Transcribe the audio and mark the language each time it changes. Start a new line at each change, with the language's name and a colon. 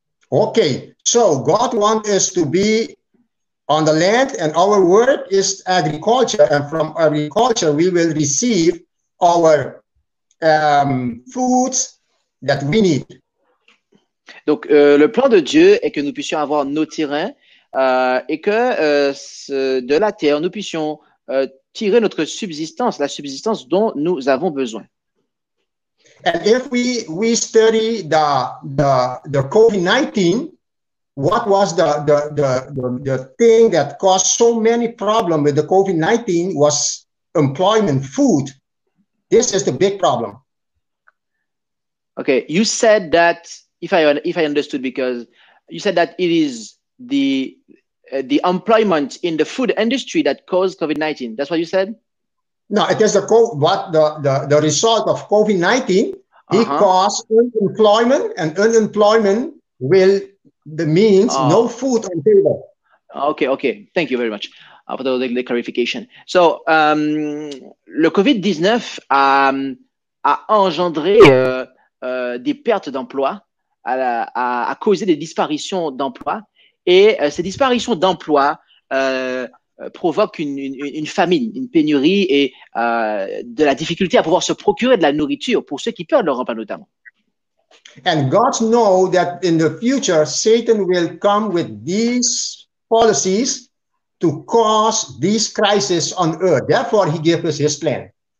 English: Okay, so God wants us to be on the land, and our work is agriculture, and from agriculture we will receive our foods that we need.
French: Donc, le plan de Dieu est que nous puissions avoir nos terrains et que de la terre nous puissions tirer notre subsistance, la subsistance dont nous avons besoin.
English: And if we study the COVID-19, what was the thing that caused so many problems with the COVID-19 was employment, food. This is the big problem. Okay, you said that if I understood, because you said that it is the employment in the food industry that caused COVID-19. That's what you said? No, it is the result of COVID-19. Uh-huh. It caused unemployment, and unemployment will the means no food on the table. Okay. Thank you very much for the clarification.
French: So, le COVID-19 a engendré des pertes d'emplois, a causé des disparitions d'emplois, et ces disparitions d'emplois provoquent une famine, une pénurie et de la difficulté à pouvoir se procurer de la nourriture pour ceux qui perdent leur emploi notamment.
English: And God knows that in the future, Satan will come with these policies to cause these crises on earth. Therefore, he gave us his plan.